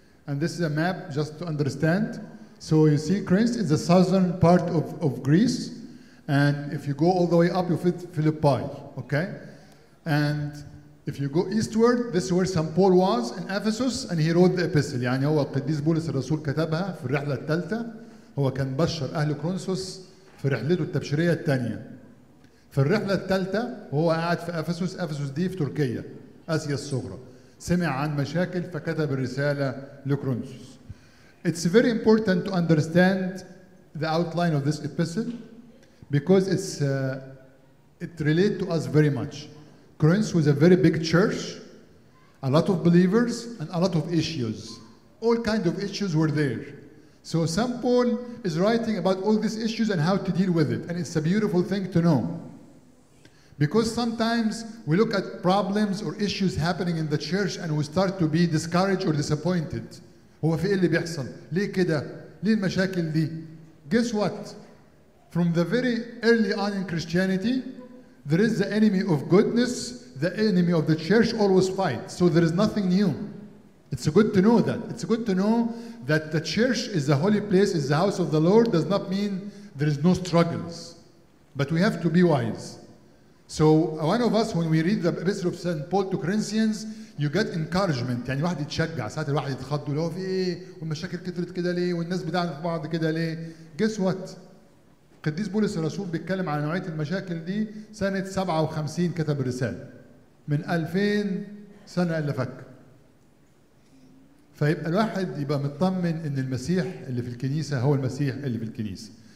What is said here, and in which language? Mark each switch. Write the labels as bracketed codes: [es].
[en] And this is a map just to understand. So you see, Corinth is the southern part of Greece. And if you go all the way up, you fit Philippi, okay? And if you go eastward, this is where St. Paul was in Ephesus, and he wrote the epistle. [ar] يعني هو القديس بولس الرسول كتبها في الرحلة الثالثة. هو كان بشر أهل كرونسوس في رحلته التبشيرية الثانية. في الرحلة الثالثة هو قاعد في أفسوس. أفسوس دي في تركيا آسيا الصغرى. سمع عن مشاكل فكتب الرسالة لكرونسوس. [en] It's very important to understand the outline of this epistle because it relates to us very much. Corinth was a very big church, a lot of believers and a lot of issues. All kinds of issues were there. So St. Paul is writing about all these issues and how to deal with it. And it's a beautiful thing to know. Because sometimes we look at problems or issues happening in the church and we start to be discouraged or disappointed. [ar] هو في إيه اللي بيحصل؟ ليه كده؟ ليه المشاكل دي؟ [en] Guess what? From the very early on in Christianity, there is the enemy of goodness, the enemy of the church always fights. So there is nothing new. It's good to know that. It's good to know that the church is the holy place, is the house of the Lord, does not mean there is no struggles. But we have to be wise. So one of us, when we read the Epistle of St. Paul to Corinthians, you get encouragement. [ar] يعني واحد يتشجع. ساعات الواحد يتخض له في إيه والمشاكل كترت كده ليه والناس بتعاند في بعض كده ليه. [en] Guess what? [ar] قديس بولس الرسول بيتكلم على نوعية المشاكل دي سنة 57 كتب الرسالة. من 2000 سنة إلا فك. فيبقى الواحد يبقى مطمن إن المسيح اللي في الكنيسة هو المسيح اللي في الكنيسة.